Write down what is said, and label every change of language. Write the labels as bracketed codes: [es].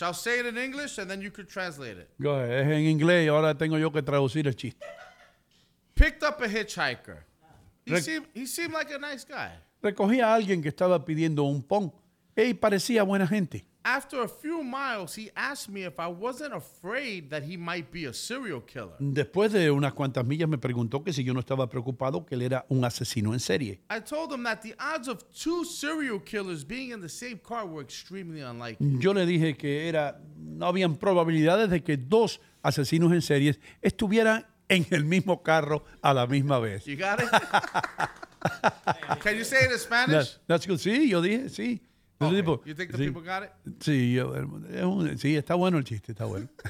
[en] I'll say it in English and then you could translate it. Go ahead. [es] Es en inglés y ahora tengo yo que traducir el chiste. [en] Picked up a hitchhiker. He seemed like a nice guy. [es] Recogí a alguien que estaba pidiendo un pon. Él parecía buena gente. [en] After a few miles, he asked me if I wasn't afraid that he might be a serial killer. [es] Después de unas cuantas millas, me preguntó que si yo no estaba preocupado que él era un asesino en serie. [en] I told him that the odds of two serial killers being in the same car were extremely unlikely. [es] Yo le dije que era no habían probabilidades de que dos asesinos en serie estuvieran en el mismo carro a la misma vez. [en] You got it? Can you say it in Spanish? That's good. [es] Sí, yo dije, sí. [en] Okay. [es] Tipo, [en] you think the people got it? [es] Sí, yo, sí, está bueno el chiste, está bueno.